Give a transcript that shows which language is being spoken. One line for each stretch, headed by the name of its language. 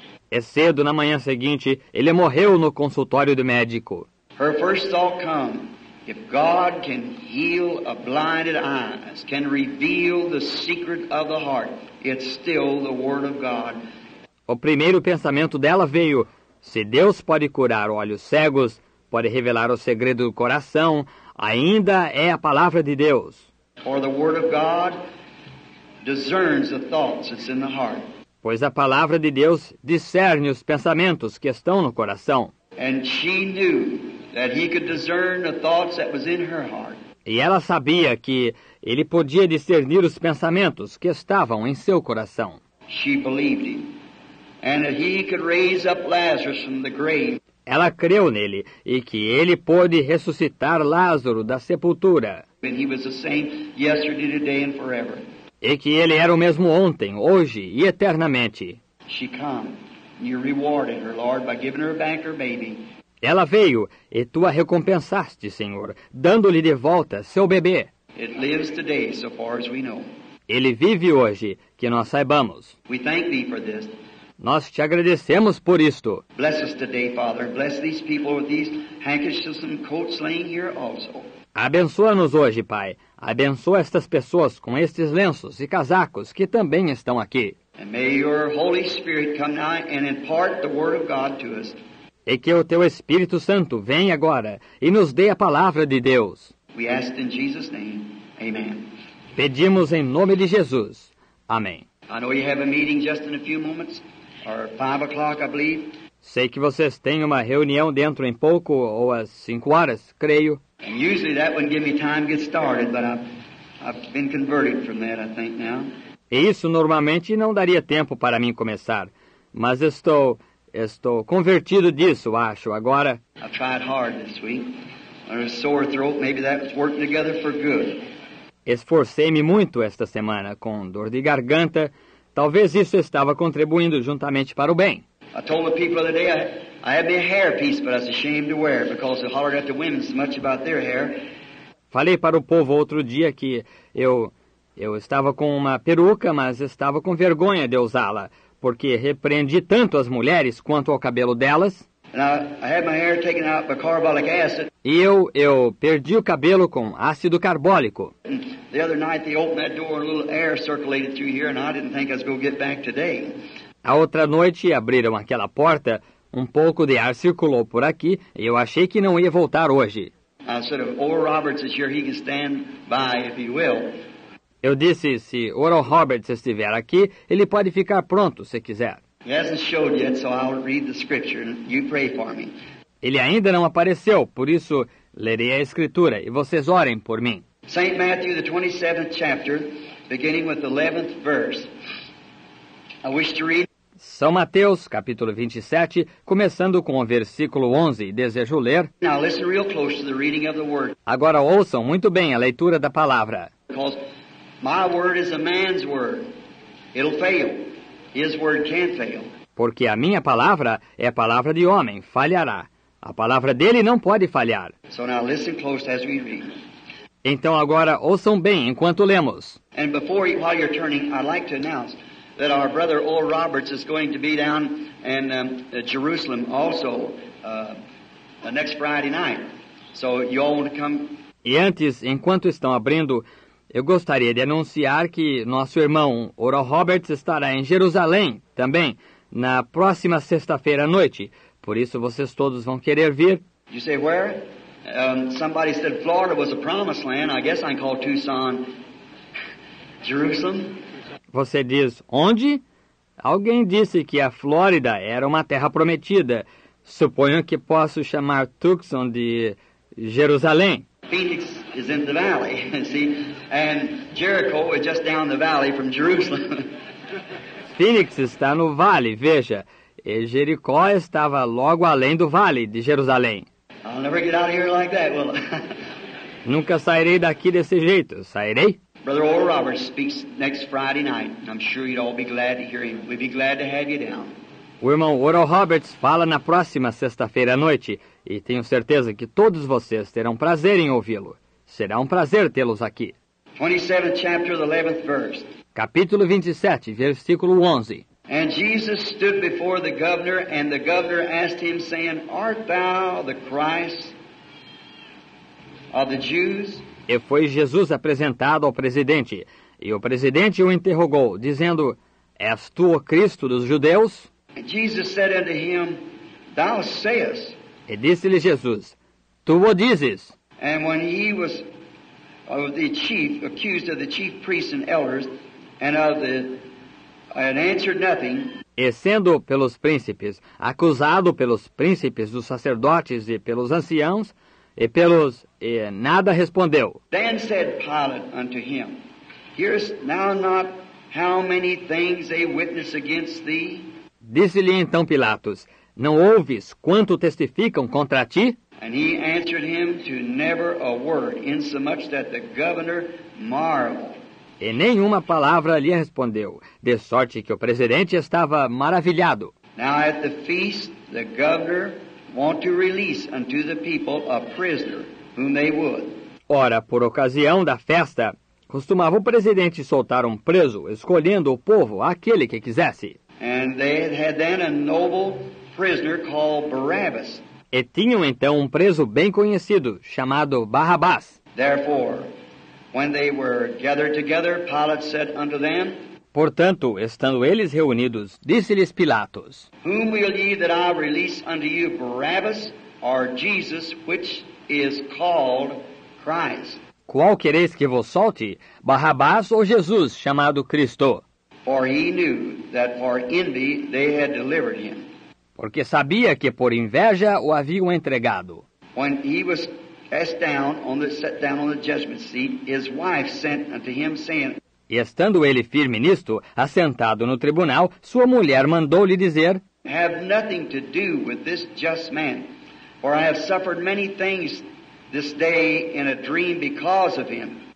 Portuguese: E cedo na manhã seguinte, ele morreu no consultório do médico.
English: Her first thought come, if God can heal a blinded eyes, can reveal the secret of the heart, it's still the word of God.
Portuguese: O primeiro pensamento dela veio, se Deus pode curar olhos cegos, pode revelar o segredo do coração, ainda é a palavra de Deus.
English: For the word of God discerns the thoughts that's in the heart.
Portuguese: Pois a palavra de Deus discerne os pensamentos que estão no coração.
English: And she knew that he could discern the thoughts that was in her heart.
Portuguese: E ela sabia que ele podia discernir os pensamentos que estavam em seu coração.
English: She believed him, and that he could raise up Lazarus from the grave.
Portuguese: Ela creu nele e que ele pôde ressuscitar Lázaro da sepultura.
English: And he was the same yesterday, today, and forever.
Portuguese: E que ele era o mesmo ontem, hoje e eternamente.
English: She came, and you rewarded her, Lord, by giving her back her baby.
Portuguese: Ela veio e tu a recompensaste, Senhor, dando-lhe de volta seu bebê.
English: It lives today, so far as we know.
Portuguese: Ele vive hoje, que nós saibamos.
English: We thank thee for this.
Portuguese: Nós te agradecemos por isto.
English: Bless us today, Father. Bless these people with these handkerchiefs and coats laying here also.
Portuguese: Abençoa-nos hoje, Pai. Abençoa estas pessoas com estes lenços e casacos que também estão aqui.
English: And may your Holy Spirit come now and impart the word of God to us.
Portuguese: E que o teu Espírito Santo venha agora e nos dê a palavra de Deus.
English: We ask in Jesus' name. Amen.
Portuguese: Pedimos em nome de Jesus. Amém.
English: I know you have a meeting just in a few moments. Or 5 o'clock, I believe.
Portuguese: Sei que vocês têm uma reunião dentro em pouco, ou às 5 horas, creio.
English: And usually that wouldn't give me time to get started, but I've been converted from that, I think, now.
Portuguese: E isso normalmente não daria tempo para mim começar, mas estou convertido disso, acho, agora.
English: I tried hard this week. I had a sore throat, maybe that was working together for good.
Portuguese: Esforcei-me muito esta semana com dor de garganta. Talvez isso estava contribuindo juntamente para o bem.
English: I told the people the other day I had my hair piece, but I was ashamed to wear it because they hollered at the women so much about their hair.
Portuguese: Falei para o povo outro dia que eu estava com uma peruca, mas estava com vergonha de usá-la, porque repreendi tanto as mulheres quanto ao cabelo delas.
English: I had my hair taken out by carbolic acid.
Portuguese: E eu perdi o cabelo com ácido carbólico.
English: The other night they opened that door and a little air circulated through here and I didn't think I was going to get back today.
Portuguese: A outra noite abriram aquela porta, um pouco de ar circulou por aqui e eu achei que não ia voltar hoje.
English: I said, if Oral Roberts is here, he can stand by if he will.
Portuguese: Eu disse, se Oral Roberts estiver aqui, ele pode ficar pronto se quiser.
English: He hasn't showed yet, so I'll read the scripture and you pray for me.
Portuguese: Ele ainda não apareceu, por isso lerei a escritura e vocês orem por mim.
English: St. Matthew, the 27th chapter, beginning with the 11th verse. I wish to read.
Portuguese: São Mateus, capítulo 27, começando com o versículo 11, desejo ler.
English: Now listen real close to the reading of the word.
Portuguese: Agora ouçam muito bem a leitura da palavra.
English: Because my word is a man's word. It'll fail. His word can't fail.
Portuguese: Porque a minha palavra é a palavra de homem, falhará. A palavra dele não pode falhar.
English: So now listen close as we read.
Portuguese: Então agora ouçam bem enquanto lemos.
English: And before you, while you're turning, I'd like to announce that our brother Oral Roberts is going to be down in Jerusalem also next Friday night. So you all want to come.
Portuguese: E antes, enquanto estão abrindo, eu gostaria de anunciar que nosso irmão Oral Roberts estará em Jerusalém também na próxima sexta-feira à noite. Por isso vocês todos vão querer vir.
English: You say where? Somebody said Florida was a promised land. I guess I can call Tucson Jerusalem.
Portuguese: Você diz onde? Alguém disse que a Flórida era uma terra prometida. Suponho que posso chamar Tucson de Jerusalém.
English: Phoenix is in the valley, see? And Jericho is just down the valley from Jerusalem.
Portuguese: Phoenix está no vale, veja. E Jericó estava logo além do vale de Jerusalém.
English: I'll never get out of here like that, will I?
Portuguese: Nunca sairei daqui desse jeito, sairei?
English: Brother Oral Roberts speaks next Friday night. I'm sure you'd all be glad to hear him. We'd be glad to have you down.
Portuguese: O irmão Oral Roberts fala na próxima sexta-feira à noite e tenho certeza que todos vocês terão prazer em ouvi-lo. Será um prazer tê-los aqui.
English: 27th chapter, the 11th verse.
Portuguese: Capítulo 27, versículo 11.
English: And Jesus stood before the governor, and the governor asked him, saying, Art thou the Christ of the Jews?
Portuguese: E foi Jesus apresentado ao presidente, e o presidente o interrogou, dizendo, És tu o Cristo dos judeus?
English: And Jesus said unto him, Thou sayest.
Portuguese: E disse-lhe Jesus, Tu o dizes.
English: And when he was of the chief, accused of the chief priests and elders, and of the And answered nothing.
Portuguese: E sendo pelos príncipes, acusado pelos príncipes dos sacerdotes e pelos anciãos, e nada respondeu.
English: Then said Pilate unto him, Hearest thou not how many things they witness against thee?
Portuguese: Disse-lhe então Pilatos, Não ouves quanto testificam contra ti?
English: And he answered him to never a word, insomuch that the governor marveled.
Portuguese: E nenhuma palavra lhe respondeu, de sorte que o presidente estava maravilhado.
English: Now at the feast, the governor wanted to release unto the people a prisoner whom they would.
Portuguese: Ora, por ocasião da festa, costumava o presidente soltar um preso, escolhendo o povo, aquele que quisesse.
English: And they had then a noble prisoner called Barabbas.
Portuguese: E tinham então um preso bem conhecido, chamado Barrabás.
English: Therefore, when they were gathered together, Pilate said unto them,
Portuguese: Portanto, estando eles reunidos, disse-lhes Pilatos,
English: Whom will ye that I release unto you, Barabbas or Jesus, which is called Christ?
Portuguese: Qual quereis que vos solte, Barrabás ou Jesus, chamado Cristo?
English: For he knew that for envy they had delivered him.
Portuguese: Porque sabia que por inveja o haviam entregado.
English: When he was sat down on the judgment seat, his wife sent unto him, saying,
Portuguese: E estando ele firme nisto, assentado no tribunal, sua mulher mandou-lhe dizer,
English: Have nothing to do with this just man, for I have suffered many things this day in a dream because of him.